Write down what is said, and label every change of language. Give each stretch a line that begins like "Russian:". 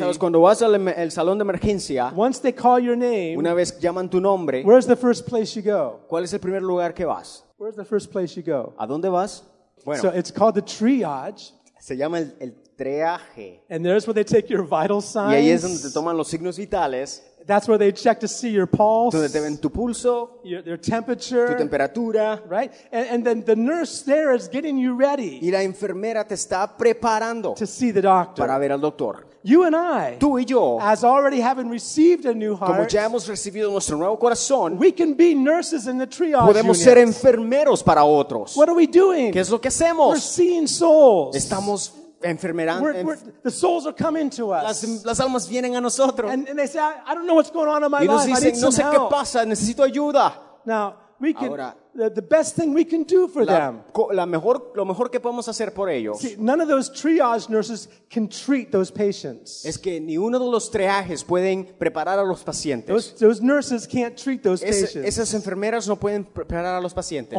Spanish: sabes, cuando vas al salón de emergencia,
English: once they call your name,
Spanish: una vez llaman tu nombre,
English: where's the first place you go?
Spanish: ¿Cuál es el primer lugar que vas?
English: Where's the first place you go?
Spanish: ¿A dónde vas?
English: Bueno, so it's called the triage.
Spanish: Se llama el triaje.
English: And there's where they take your vital signs.
Spanish: Y ahí es donde te toman los signos vitales.
English: That's where they check to see your pulse.
Spanish: Donde te ven tu pulso.
English: Your temperature.
Spanish: Tu temperatura.
English: Right? And then the nurse there is getting you ready.
Spanish: Y la enfermera te está preparando.
English: To see the doctor.
Spanish: Para ver al doctor.
English: You and I,
Spanish: tú y yo,
English: as already having received a new heart,
Spanish: como ya hemos recibido nuestro nuevo corazón,
English: we can be nurses in the triage.
Spanish: Podemos ser enfermeros para otros.
English: What are we doing?
Spanish: ¿Qué es lo que hacemos?
English: We're seeing souls.
Spanish: Estamos
English: the souls are coming to us.
Spanish: Las almas vienen a nosotros.
English: And they say, I don't know what's going on in my
Spanish: y nos
English: life.
Spanish: Dicen,
English: I need
Spanish: no
English: some
Spanish: sé
English: help.
Spanish: Qué pasa. Necesito ayuda.
English: Now, we can.
Spanish: Ahora,
English: the best thing we can do for them.
Spanish: Lo mejor que podemos hacer por ellos.
English: See, none of those triage nurses can treat those patients.
Spanish: Es que ni uno de los triajes pueden preparar a los pacientes.
English: Those nurses can't treat those patients.
Spanish: Esas enfermeras no pueden preparar a los pacientes.